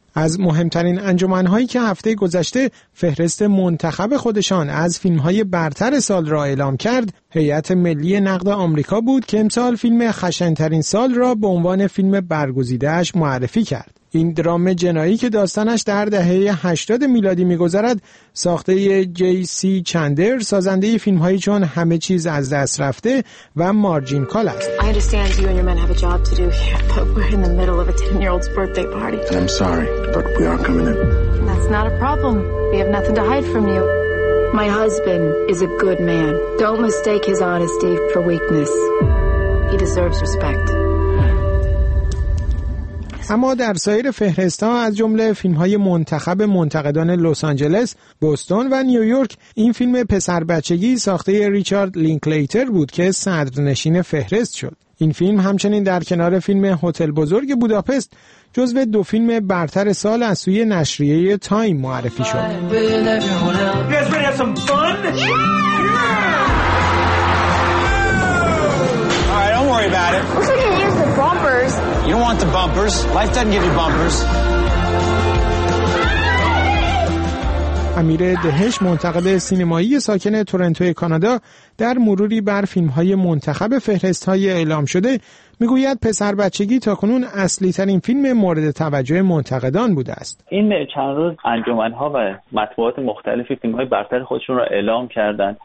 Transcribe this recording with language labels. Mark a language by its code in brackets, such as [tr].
[fa] از مهمترین انجمن‌هایی که هفته گذشته فهرست منتخب خودشان از فیلم‌های برتر سال را اعلام کرد، هیئت ملی نقد آمریکا بود که امسال فیلم خشن‌ترین سال را به عنوان فیلم برگزیده‌اش معرفی کرد. این درام جنایی که داستانش در دهه 80 میلادی می‌گذرد، ساخته جی سی چندر، سازنده فیلم‌های چون همه چیز از دست رفته و مارجین کال است. [en] I understand you and your men have a job to do here, but we're in the middle of a 10-year-old's birthday party. I'm sorry, but we aren't coming in. That's not a problem. We have nothing to hide from you. My husband is a good man. Don't mistake his honesty for weakness. He deserves respect. [fa] اما در سایر فهرست ها از جمله فیلم های منتخب منتقدان لس آنجلس، بوستون و نیویورک، این فیلم پسر بچگی ساخته ریچارد لینکلیتر بود که صدرنشین فهرست شد. این فیلم همچنین در کنار فیلم هتل بزرگ بوداپست جزو دو فیلم برتر سال از سوی نشریه تایم معرفی شد. [en] You don't want the bumpers. Life doesn't give you bumpers. [fa] امیر دهش، منتقد سینمایی ساکن تورنتو کانادا، در مروری بر فیلم‌های منتخب فهرست‌های اعلام شده می‌گوید پسر بچگی تا کنون اصلی‌ترین فیلم مورد توجه منتقدان بوده است. این چند روز انجمن‌ها و مطبوعات مختلفی فیلم‌های برتر خودشون را اعلام کردند.